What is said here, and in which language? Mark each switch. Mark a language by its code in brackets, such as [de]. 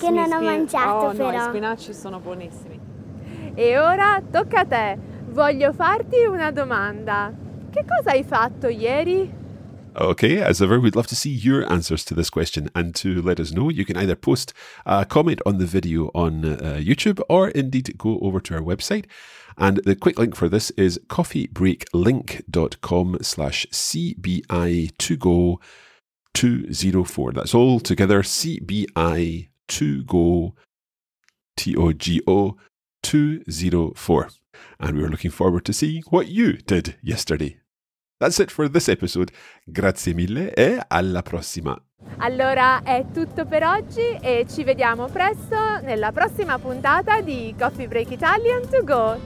[it] che non ho mangiato però. No, i spinaci sono buonissimi. E ora tocca a te, voglio farti una domanda. Che cosa hai fatto ieri? [en] Okay, as ever, we'd love to see your answers to this question. And to let us know, you can either post a comment on the video on YouTube or indeed go over to our website. And the quick link for this is coffeebreaklink.com/CBI2GO204. That's all together, CBI2GO204. And we're looking forward to seeing what you did yesterday. That's it for this episode. [it] Grazie mille e alla prossima. Allora è tutto per oggi e ci vediamo presto nella prossima puntata di Coffee Break Italian to Go.